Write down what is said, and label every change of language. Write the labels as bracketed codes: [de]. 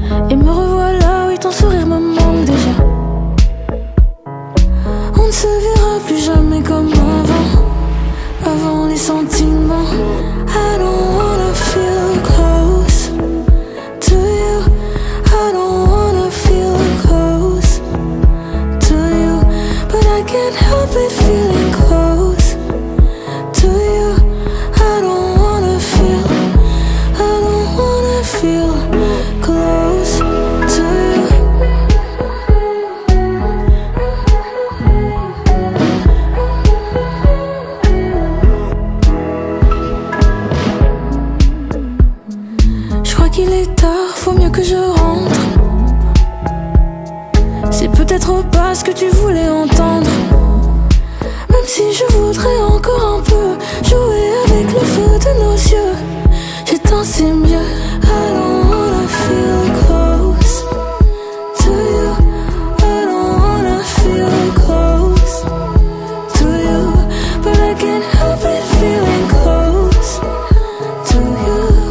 [fr] Et me revoilà, oui, ton sourire me manque déjà. On ne se verra plus jamais comme avant. Avant les sentiments. [en] I don't wanna feel close to you. I don't wanna feel close to you. But I can't help it feeling close to you. I don't wanna feel. I don't wanna feel close to you. [fr] Je crois qu'il est tard, faut mieux que je rentre. C'est peut-être pas ce que tu voulais entendre. Même si je voudrais encore un peu jouer avec le feu de nos yeux. J'éteins ces mieux. [en] I don't wanna feel close to you. I don't wanna feel close to you. But I can't help it feeling close to you.